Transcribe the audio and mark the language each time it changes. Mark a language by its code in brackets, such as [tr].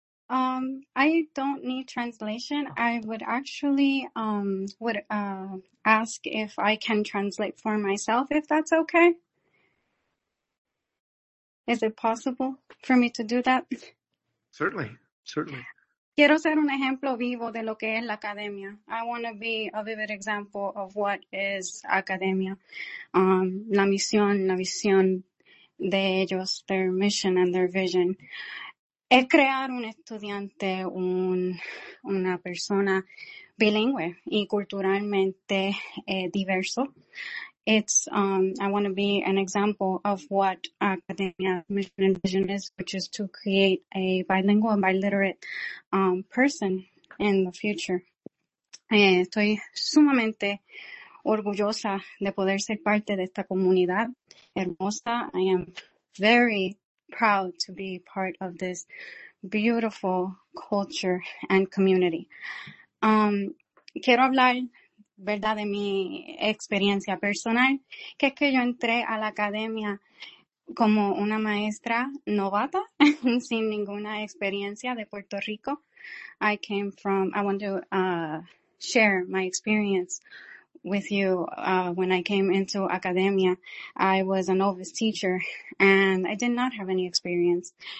[en] I don't need translation. I would actually ask if I can translate for myself, if that's okay. Is it possible for me to do that? Certainly, certainly. [es] Quiero ser un ejemplo vivo de lo que es la academia. [en] I want to be a vivid example of what is academia. [es] La misión, la visión de ellos, [en] their mission and their vision. [es] Es crear un estudiante, una persona bilingüe y culturalmente diverso. [en] I want to be an example of what Academia's mission and vision is, which is to create a bilingual and biliterate person in the future. [es] Estoy sumamente orgullosa de poder ser parte de esta comunidad hermosa. [en] I am very proud to be part of this beautiful culture and community. [es] Quiero hablar, verdad, de mi experiencia personal, que es que yo entré a la academia como una maestra novata, sin ninguna experiencia de Puerto Rico. [en] I want to share my experience with you. When I came into academia, I was a novice teacher and I did not have any experience.